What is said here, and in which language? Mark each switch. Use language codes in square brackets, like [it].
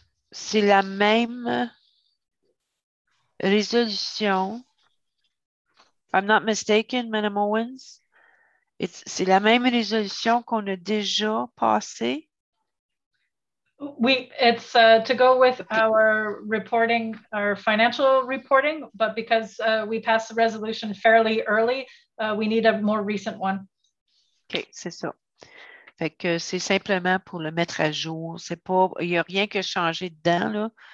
[fr] C'est la même résolution. [en] If I'm not mistaken, [fr] Madam Owens. C'est la même résolution qu'on a déjà passée? [en] Oui, it's to go with our reporting, our financial reporting, but because we passed the resolution fairly early, we need a more recent one. [fr] OK, c'est ça. Fait que c'est simplement pour le mettre à jour. C'est pas, il n'y a rien qui a changé dedans, là.